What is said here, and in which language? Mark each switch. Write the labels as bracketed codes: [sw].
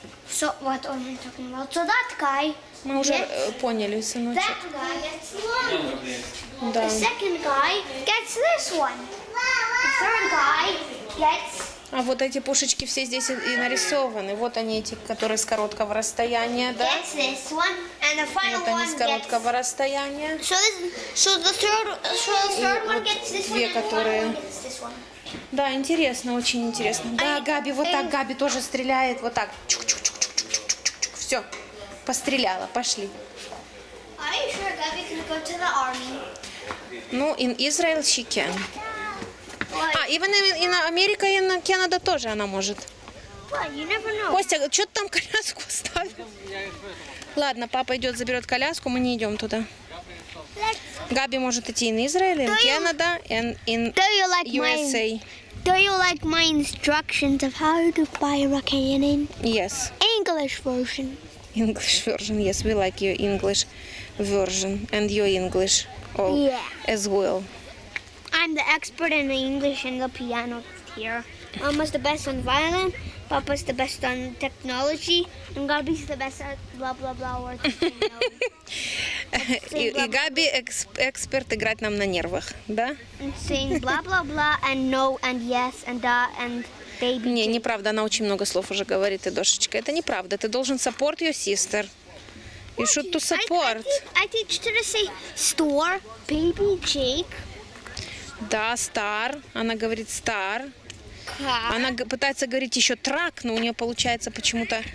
[en] So, what are we talking about? So that guy... [ru] Мы уже поняли, сыночек. [en] That guy gets one. The second guy gets this one. The third guy gets... [ru] А вот эти пушечки все здесь и нарисованы. Вот они эти, которые с короткого расстояния, да? [en] Gets this one, and the final [ru] вот они [en] one [ru] с короткого [en] gets... [ru] расстояния. [en] So the third one gets this one. [ru] Две, которые... Да, интересно, очень интересно. Да, Габи, вот так Габи тоже стреляет, вот так. Чук-чук-чук-чук-чук-чук-чук. Все, постреляла, пошли. [en] Are you sure Gabby can go to the army? [ru] Ну, [en] in Israel she can. [ru] А, [en] even in America and Canada [ru] тоже она может. Костя, что ты там коляску ставил? Ладно, папа идет, заберет коляску, мы не идем туда. Габи может идти [en] in Israel, in Canada, and in USA. Do you like my instructions of how to fire a cannon? Yes. English version. English version, yes, we like your English version and your English all as well. I'm the expert in the English and the piano here. Mama's the best on violin, Papa's the best on technology, and Gabi's the best at blah blah blah words. [ru] И Габи эксперт играть нам на нервах, да? [en] Saying blah blah blah and no and yes and da and baby. [ru] Не, неправда, она очень много слов уже говорит, Эдошечка. Это неправда. Ты должен [en] support your sister. You should to support. I teach her to say star, baby Jake. [ru] Да, star. Она говорит star. Она пытается говорить еще track, но у нее получается почему-то.